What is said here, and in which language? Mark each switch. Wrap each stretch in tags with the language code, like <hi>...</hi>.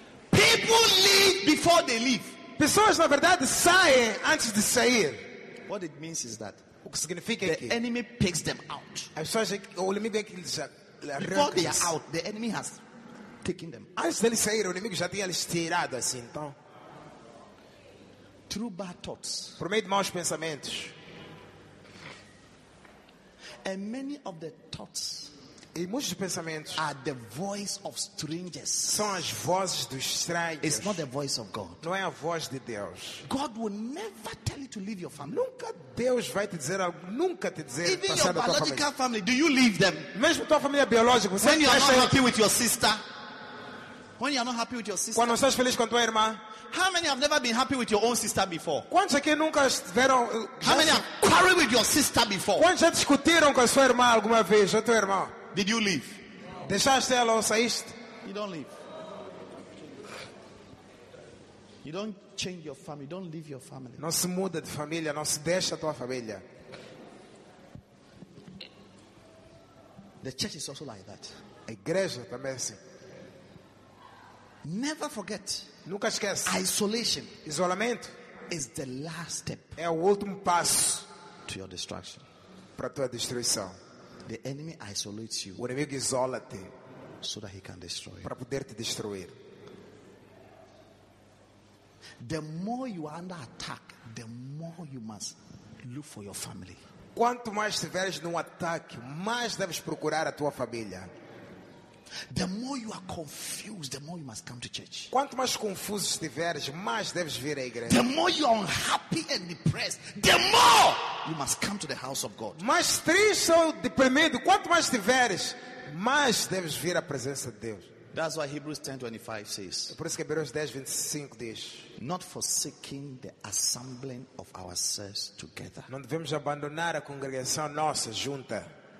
<en>People leave before they leave.</en> <pt>Pessoas, na verdade, saem antes de sair.</pt> <en>What it means is that</en> <pt>o que significa</pt> <en>the</en> <pt>que</pt> <en>enemy picks them out. Before they are out, the enemy has taken them.</en> <pt>Antes deles sair, o inimigo já tinha eles tirado assim, então.</pt> <en>Through bad thoughts.</en> <pt>Por meio de maus pensamentos.</pt> <en>And many of the thoughts.</en> <pt>E muitos pensamentos.</pt> <en>Are the voice of strangers.</en> <pt>São as vozes dos estranhos.</pt> <en>It's not the voice of God.</en> <pt>Não é a voz de Deus.</pt> <en>God will never tell you to leave your family.</en> <pt>Nunca Deus vai te dizer algo. Nunca te dizer.</pt> <en>Even your biological family, do you leave them?</en> <pt>Mesmo tua família biológica, você</pt> <en>When you are not happy with your sister. When you are not happy with your sister.</en> <pt>Quando não estás feliz com tua irmã.</pt> <en>How many have never been happy with your own sister before?</en> <pt>Quantos aqui nunca tiveram?</pt> <en>How many have quarreled with your sister before?</en> <pt>Quantos já discutiram com a sua irmã alguma vez, a tua irmã?</pt> <en>Did you leave?</en> <pt>Deixaste ela ou saíste?</pt> <en>You don't leave. You don't change your family. You don't leave your family.</en> <pt>Não se muda de família, não se deixa a tua família.</pt> <en>The church is also like that.</en> <pt>A igreja também é assim.</pt> <en>Never forget.</en> <pt>Nunca esquece.</pt> <en>Isolation.</en> <pt>Isolamento.</pt> <en>Is the last step.</en> <pt>É o último passo.</pt> <en>To your destruction.</en> <pt>Para tua destruição.</pt> <en>The enemy isolates you.</en> <pt>O inimigo isola-te.</pt> <en>So that he can destroy.</en> <pt>Para poder te destruir.</pt> <en>The more you are under attack, the more you must look for your family.</en> <pt>Quanto mais estiveres num ataque, mais deves procurar a tua família.</pt> <en>The more you are confused, the more you must come to church.</en> <pt>Quanto mais confuso estiveres, mais deves vir à igreja.</pt> <en>The more you are unhappy and depressed, the more you must come to the house of God.</en> <pt>Mais triste ou deprimido, quanto mais estiveres, mais deves vir à presença de Deus.</pt> <en>That's why Hebrews 10:25 says.</en> <pt>Por isso que Hebreus 10:25 diz.</pt> <en>Not forsaking the assembling of ourselves together.</en> <pt>Não devemos abandonar a congregação nossa junta.</pt>